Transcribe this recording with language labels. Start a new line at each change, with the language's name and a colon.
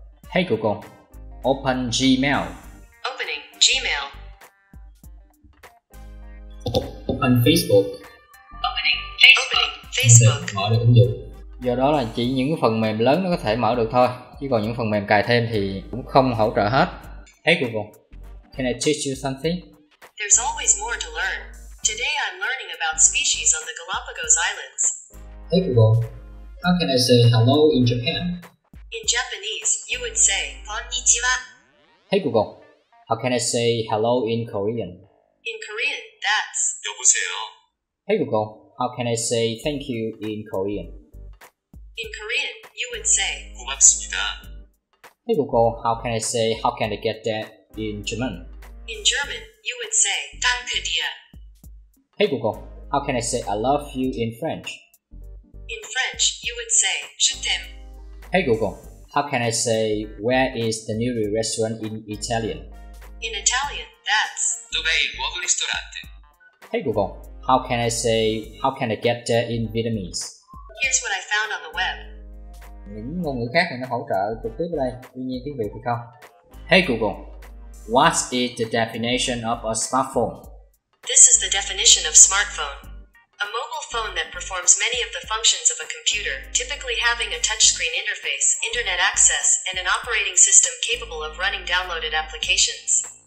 English: Hey Google, open Gmail. Opening Gmail. Open Facebook. Opening Facebook.
Vietnamese: Mở được ứng dụng. Do đó là chỉ những phần mềm lớn nó có thể mở được thôi. Chứ còn những phần mềm cài thêm thì cũng không hỗ trợ hết.
English: Hey Google, can I teach you something? There's always more to learn. Today I'm learning about species on the Galapagos Islands. Hey Google, how can I say hello in Japan? In Japanese, you would say Konnichiwa. Hey Google, how can I say hello in Korean? In Korean, that's
Korean: 여보세요.
English: Hey Google, how can I say thank you in Korean? In Korean, you would say
Korean: 고맙습니다.
English: Hey Google, how can I say how can I get that in German? In German, you would say 땅 끝이야. Hey Google, how can I say I love you in French? In French, you would say
French: je t'aime.
English: Hey Google, how can I say where is the nearest restaurant in Italian? In Italian, that's
Italian: dove è il nuovo ristorante.
English: Hey Google, how can I say how can I get there in Vietnamese? Here's what I found on the web.
Vietnamese: Những ngôn ngữ khác thì nó hỗ trợ trực tiếp ở đây, tuy nhiên tiếng Việt thì không.
English: Hey Google, what is the definition of a smartphone? This is the definition of smartphone. A mobile phone that performs many of the functions of a computer, typically having a touchscreen interface, internet access, and an operating system capable of running downloaded applications.